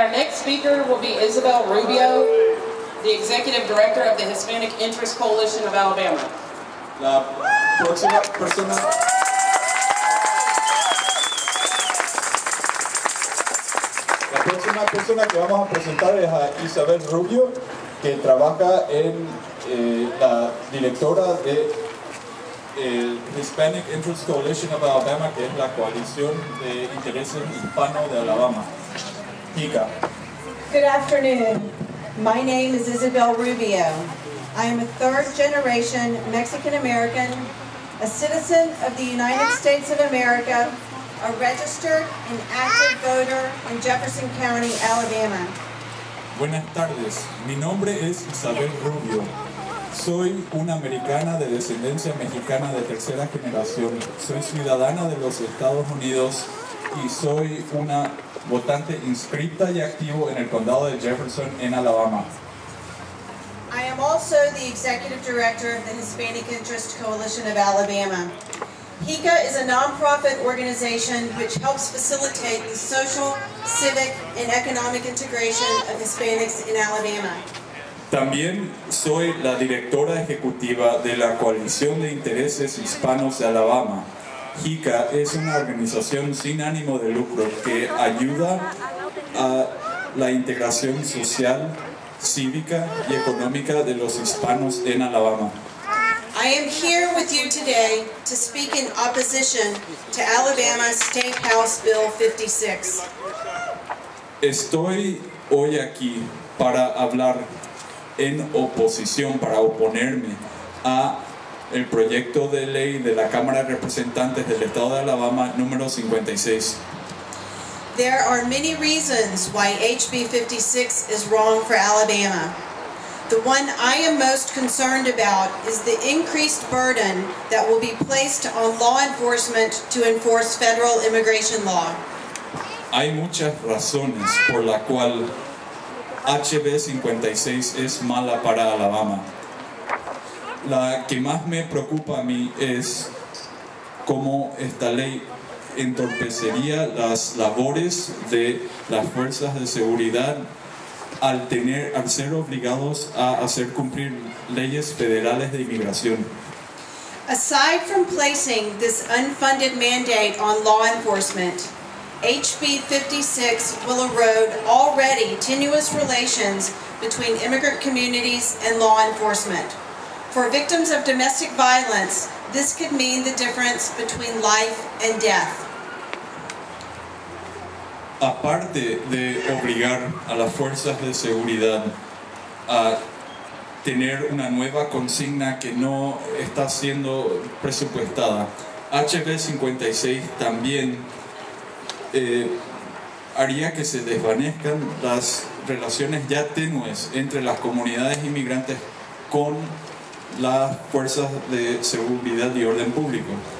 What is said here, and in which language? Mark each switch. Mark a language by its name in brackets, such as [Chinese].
[English] Speaker will be Isabel Rubio, the Executive Director of the Hispanic Interest Coalition of Alabama. [Spanish] La próxima persona. La próxima persona que vamos a presentar es a Isabel Rubio, que trabaja en la directora de el Hispanic Interest Coalition of Alabama, que es la coalición de intereses hispano de Alabama. Pica. [English] Good afternoon. My name is Isabel Rubio. I am a third-generation Mexican-American, a citizen of the United States of America, a registered and active voter in Jefferson County, Alabama. [Spanish] Buenas tardes. Mi nombre es Isabel Rubio. Soy una americana de descendencia mexicana de tercera generación. Soy ciudadana de los Estados Unidos y soy una votante inscrita y activo en el condado de Jefferson en Alabama. [English] I am also the executive director of the Hispanic Interest Coalition of Alabama. HICA is a nonprofit organization which helps facilitate the social, civic, and economic integration of Hispanics in Alabama. [Spanish] También soy la directora ejecutiva de la Coalición de Intereses Hispanos de Alabama. HICA es una organización sin ánimo de lucro que ayuda a la integración social, cívica y económica de los hispanos en Alabama. [English] I am here with you today to speak in opposition to Alabama State House Bill 56. [Spanish] Estoy hoy aquí para hablar en oposición, para oponerme a el proyecto de ley de la Cámara de Representantes del Estado de Alabama número 56. [English] There are many reasons why HB 56 is wrong for Alabama. The one I am most concerned about is the increased burden that will be placed on law enforcement to enforce federal immigration law. [Spanish] Hay muchas razones por la cual HB 56 es mala para Alabama. La que más me preocupa a mí es cómo esta ley entorpecería las labores de las fuerzas de seguridad al ser obligados a hacer cumplir leyes federales de inmigración. [English] Aside from placing this unfunded mandate on law enforcement, HB 56 will erode already tenuous relations between immigrant communities and law enforcement. For victims of domestic violence, this could mean the difference between life and death. [Spanish] Aparte de obligar a las fuerzas de seguridad a tener una nueva consigna que no está siendo presupuestada, HB 56 también haría que se desvanezcan las relaciones ya tenues entre las comunidades inmigrantes con las fuerzas de seguridad y orden público.